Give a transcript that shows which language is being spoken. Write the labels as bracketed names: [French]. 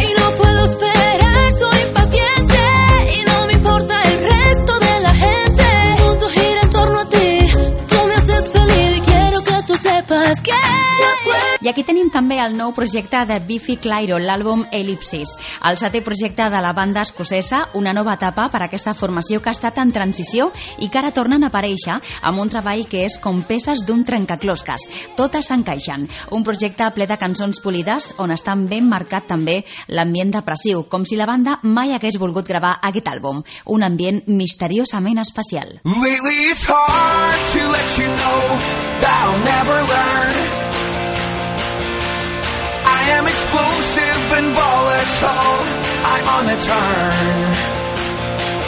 [Spanish] y no puedo esperar, soy impaciente y no me importa el resto de la gente. Un punto gira en torno a ti, tú me haces feliz y quiero que tú sepas que ya puedo. [Catalan] I aquí tenim també el nou projecte de Biffy Clyro, l'àlbum Ellipsis, el setè projecte de la banda escocesa, una nova etapa per a aquesta formació que ha estat en transició i que ara tornen a aparèixer amb un treball que és com peces d'un trencaclosques. Totes s'encaixen. Un projecte ple de cançons polides on està ben marcat també l'ambient depressiu, com si la banda mai hagués volgut gravar aquest àlbum. Un ambient misteriosament especial. [English] Lately it's hard to let you know that I'll never learn. I am explosive and volatile, I'm on the turn.